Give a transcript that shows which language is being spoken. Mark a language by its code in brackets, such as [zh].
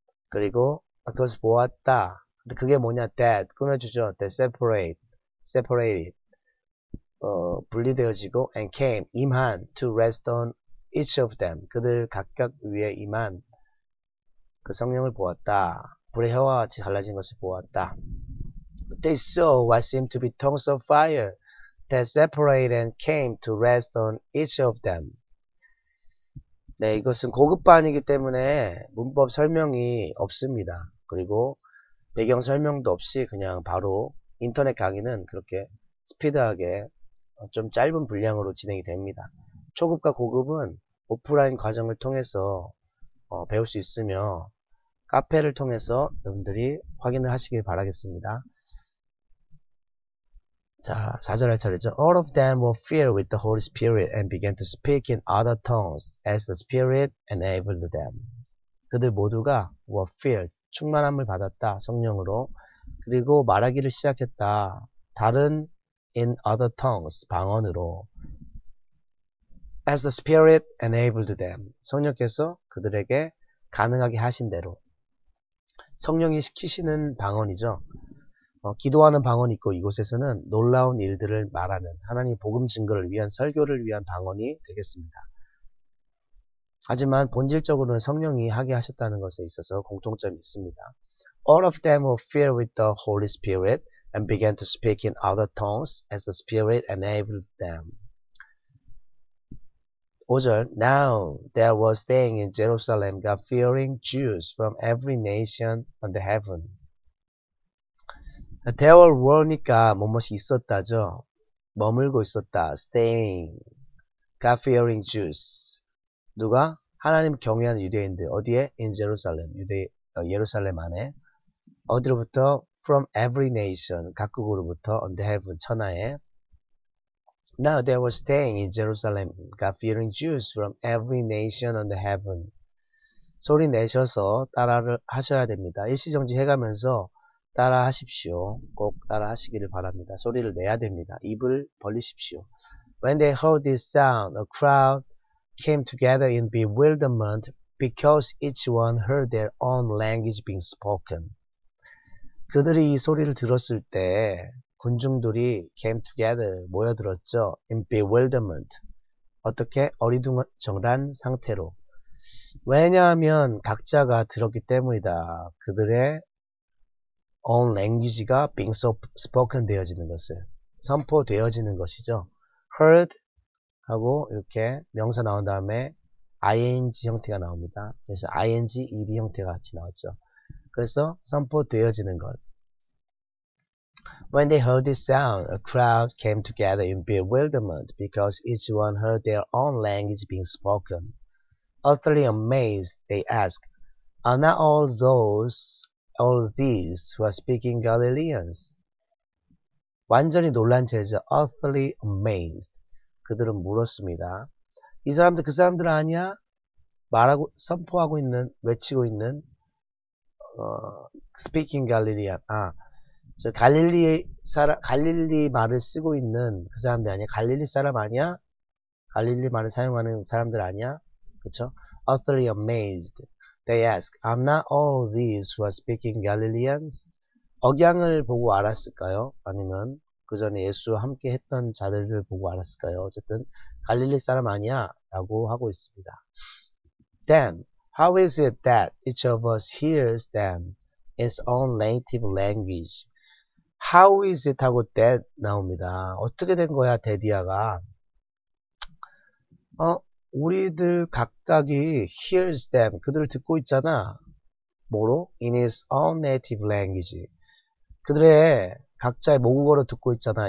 [ko] 그리고 그것을 보았다. 근데 그게 뭐냐. That, 꾸며주죠. [en] That separate, separated. [ko] 분리되어지고. [en] And came, [ko] 임한. [en] To rest on each of them. [ko] 그들 각각 위에 임한. 그 성령을 보았다. 불의 혀와 같이 갈라진 것을 보았다. [en] They saw what seemed to be tongues of fire that separated and came to rest on each of them. [ko] 네, 이것은 고급반이기 때문에 문법 설명이 없습니다. 그리고 배경 설명도 없이 그냥 바로 인터넷 강의는 그렇게 스피드하게 좀 짧은 분량으로 진행이 됩니다. 초급과 고급은 오프라인 과정을 통해서 배울 수 있으며 카페를 통해서 여러분들이 확인을 하시길 바라겠습니다. 자, 4절 할 차례죠. [en] All of them were filled with the Holy Spirit and began to speak in other tongues as the Spirit enabled them. [ko] 그들 모두가 [en] were filled, [ko] 충만함을 받았다, 성령으로. 그리고 말하기를 시작했다. 다른 [en] in other tongues, [ko] 방언으로. [en] As the Spirit enabled them. [ko] 성령께서 그들에게 가능하게 하신 대로. 성령이 시키시는 방언이죠. 기도하는 방언이 있고 이곳에서는 놀라운 일들을 말하는 하나님 복음 증거를 위한 설교를 위한 방언이 되겠습니다. 하지만 본질적으로는 성령이 하게 하셨다는 것에 있어서 공통점이 있습니다. [en] All of them were filled with the Holy Spirit and began to speak in other tongues as the Spirit enabled them. [ko] 5절, [en] Now there was staying in Jerusalem God fearing Jews from every nation under heaven. There were [ko] 니까 뭐뭐이 있었다죠. 머물고 있었다. Staying. [en] God fearing Jews. [ko] 누가? 하나님 경외하는 유대인들. 어디에? [en] In Jerusalem. [ko] 예루살렘 안에. 어디로부터? [en] From every nation. [ko] 각국으로부터. [en] On the heaven. [ko] 천하에. [en] Now there were staying in Jerusalem. God fearing Jews from every nation on the heaven. [ko] 소리 내셔서 따라를 하셔야 됩니다. 일시정지 해가면서 따라 하십시오. 꼭 따라 하시기를 바랍니다. 소리를 내야 됩니다. 입을 벌리십시오. [en] When they heard this sound, a crowd came together in bewilderment because each one heard their own language being spoken. [ko] 그들이 이 소리를 들었을 때 군중들이 [en] came together, [ko] 모여들었죠. [en] In bewilderment. [ko] 어떻게? 어리둥절한 상태로. 왜냐하면 각자가 들었기 때문이다. 그들의 [en] own language [ko] 가 [en] being spoken [ko] 되어지는 것을 선포되어지는 것이죠. heard 하고 이렇게 명사 나온 다음에 ing 형태가 나옵니다. 그래서 ing, ed 형태가 같이 나왔죠. 그래서 선포되어지는 것. [en] When they heard this sound, a crowd came together in bewilderment because each one heard their own language being spoken. Utterly amazed, they asked, Are not all those All these who are speaking Galileans. [ko] 완전히 놀란 채죠. [en] Utterly amazed. [ko] 그들은 물었습니다. 이 사람들, 그 사람들 아니야? 말하고, 선포하고 있는, 외치고 있는, [en] speaking Galilean. [ko] 아, 저 갈릴리 사람, 갈릴리 말을 쓰고 있는 그 사람들 아니야? 갈릴리 사람 아니야? 갈릴리 말을 사용하는 사람들 아니야? 그쵸? [en] Utterly amazed. They ask, "Are not all these who are speaking Galileans?" [ko] 억양을 보고 알았을까요? 아니면 그 전에 예수와 함께 했던 자들을 보고 알았을까요? 어쨌든 갈릴리 사람 아니야? 라고 하고 있습니다. [en] Then, how is it that each of us hears them in its own native language? How is it [ko] 하고 [en] that [ko] 나옵니다. 어떻게 된 거야, 데디아가? 우리들 각각이 [en] hears them, [ko] 그들을 듣고 있잖아. 뭐로? [en] In his own native language. [ko] 그들의 각자의 모국어로 듣고 있잖아.